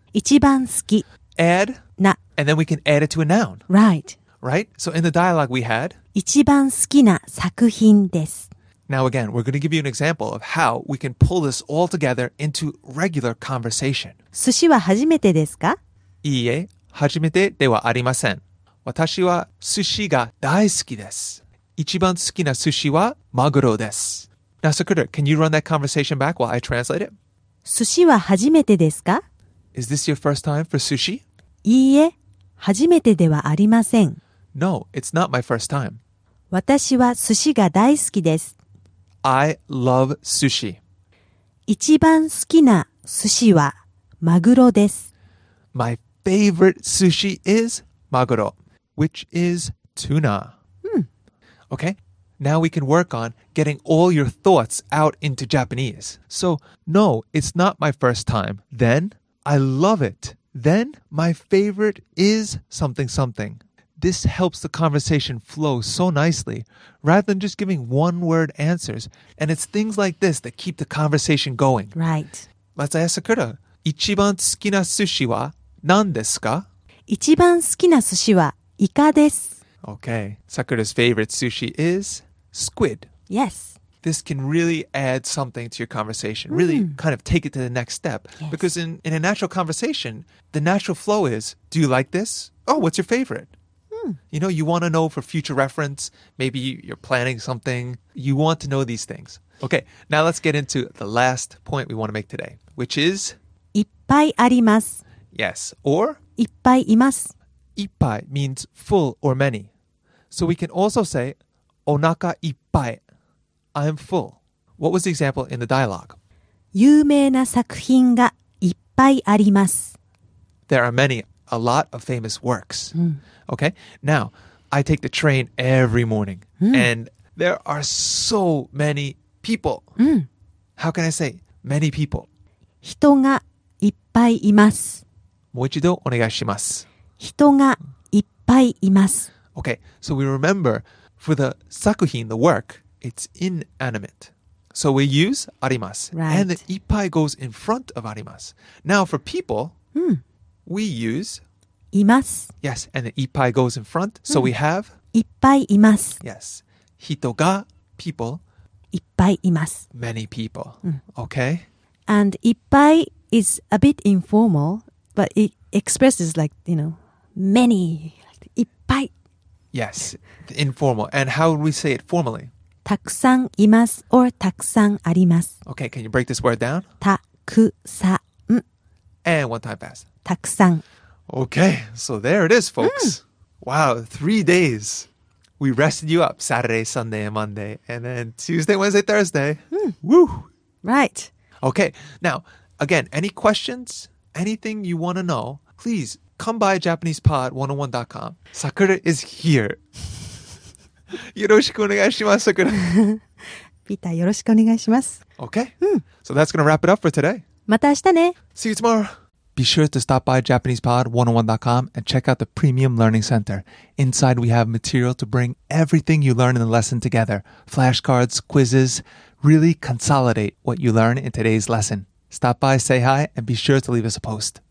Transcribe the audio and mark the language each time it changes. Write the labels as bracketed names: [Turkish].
[Japanese] 一番好き [English] Add [Japanese] na [English] And then we can add it to a noun Right Right? So in the dialogue we had [Japanese] 一番好きな作品です [English] Now again, we're going to give you an example Of how we can pull this all together Into regular conversation [Japanese] 寿司は初めてですか? いいえ、初めてではありません私は寿司が大好きです一番好きな寿司はマグロです。 [English] Now, Sakura, can you run that conversation back while I translate it? [Japanese] 寿司は初めてですか? [English] Is this your first time for sushi? [Japanese] いいえ、初めてではありません。 [English] No, it's not my first time. [Japanese] 私は寿司が大好きです。 [English] I love sushi. [Japanese] 一番好きな寿司はマグロです。 [English] My favorite sushi is maguro, which is tuna. Okay, now we can work on getting all your thoughts out into Japanese. So, no, it's not my first time. Then, I love it. Then, my favorite is something something. This helps the conversation flow so nicely, rather than just giving one-word answers. And it's things like this that keep the conversation going. Right. Let's ask Sakura, [Japanese] 一番好きな寿司は何ですか? 一番好きな寿司はイカです。 [English] Okay, Sakura's favorite sushi is squid. Yes. This can really add something to your conversation, really kind of take it to the next step. Yes. Because in a natural conversation, the natural flow is, do you like this? Oh, what's your favorite? You know, you want to know for future reference, maybe you're planning something. You want to know these things. Okay, now let's get into the last point we want to make today, which is? [Japanese] いっぱいあります。 [English] Yes, or? [Japanese] いっぱいいます。 [English] いっぱい means full or many. So we can also say, [Japanese] おなかいっぱい [English] I'm full. What was the example in the dialogue? [Japanese] 有名な作品がいっぱいあります。 [English] There are many, a lot of famous works. Okay, now, I take the train every morning. And there are so many people. How can I say many people? [Japanese] 人がいっぱいいます。もう一度お願いします。人がいっぱいいます。 [English] Okay, so we remember, for the 作品, the work, it's inanimate. So we use あります. Right. And the いっぱい goes in front of あります. Now for people, we use [Japanese] います. [English] Yes, and the いっぱい goes in front, so we have [Japanese] いっぱいいます. [English] Yes, 人が people [Japanese] いっぱいいます. [English] Many people, okay? And いっぱい is a bit informal, but itExpresses like, you know, many, いっぱい. Yes, informal. And how would we say it formally? [Japanese] たくさんいます or たくさんあります. [English] Okay, can you break this word down? [Japanese] たくさん. [English] And one time fast. [Japanese] たくさん. [English] Okay, so there it is, folks. Wow, 3 days. We rested you up Saturday, Sunday, and Monday, and then Tuesday, Wednesday, Thursday. Woo! Right. Okay, now, again, any questions? Anything you want to know, please come by JapanesePod101.com. Sakura is here. [Japanese] よろしくお願いします、Sakura. ピーター、よろしくお願いします。 [English] Okay. So that's going to wrap it up for today. [Japanese] また明日ね。 [English] See you tomorrow. Be sure to stop by JapanesePod101.com and check out the Premium Learning Center. Inside, we have material to bring everything you learn in the lesson together. Flashcards, quizzes, really consolidate what you learn in today's lesson.Stop by, say hi, and be sure to leave us a post.